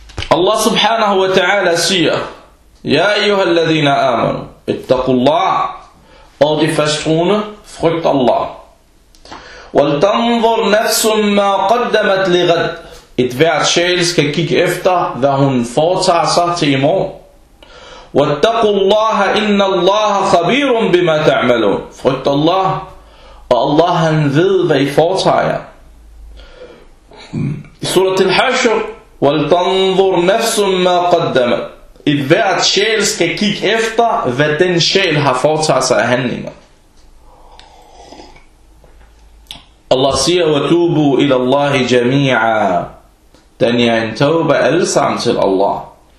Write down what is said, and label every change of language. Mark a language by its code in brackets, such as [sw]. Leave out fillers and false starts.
[da] Allah subhanahu wa ta'ala siger, [ar] Ya ayyuhal ladhina amanu, ittaqullah, [da] og de fasttroende, frygt Allah. [ar] وَلْتَنْظُرْ نَفْسٌ مَا قَدَّمَتْ لِغَدْ [da] Et hvert sjæl skal kigge efter, hvad hun foretager sig til i morgen. [ar] وَاتَّقُوا اللَّهَ إِنَّ اللَّهَ خَبِيرٌ بِمَا تَعْمَلُونَ [da] Frygt Allah. Og Allah han ved, hvad I foretager. I surat al-Hashr [ar] وَلْتَنْظُرْ نَفْسٌ مَا قَدَّمَتْ [da] Et hvert sjæl skal kigge efter, hvad den sjæl har foretaget sig af handlinger. Allah siger, [ar] وَتُوبُوا إِلَى اللَّهِ جَمِيعًا [da] Den er en tawbah allesammen til Allah.